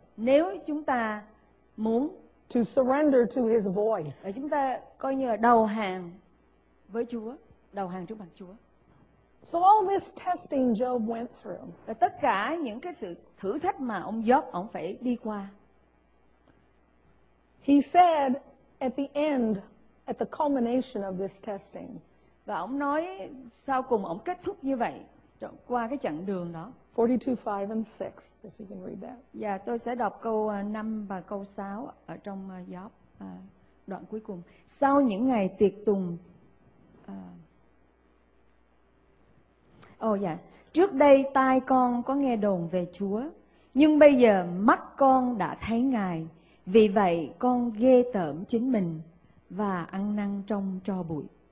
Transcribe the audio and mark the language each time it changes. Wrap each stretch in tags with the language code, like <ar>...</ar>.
<vi>Nếu chúng ta muốn.</vi> <en>To surrender to his voice.</en> <vi>Và chúng ta coi như là đầu hàng với Chúa, đầu hàng trước mặt Chúa.</vi> <en>So all this testing Job went through.</en> <vi>Và tất cả những cái sự thử thách mà ông Job ông phải đi qua.</vi> <en>He said at the end, at the culmination of this testing.</en> <vi>Và ông nói sau cùng ông kết thúc như vậy qua cái chặng đường đó.</vi> <en>42:5-6, if you can read that.</en> <vi>Dạ, tôi sẽ đọc câu 5 và câu 6 ở trong Job, đoạn cuối cùng. Sau những ngày tiệc tùng, trước đây tai con có nghe đồn về Chúa, nhưng bây giờ mắt con đã thấy Ngài, vì vậy con ghê tởm chính mình và ăn năn trong tro bụi.</vi>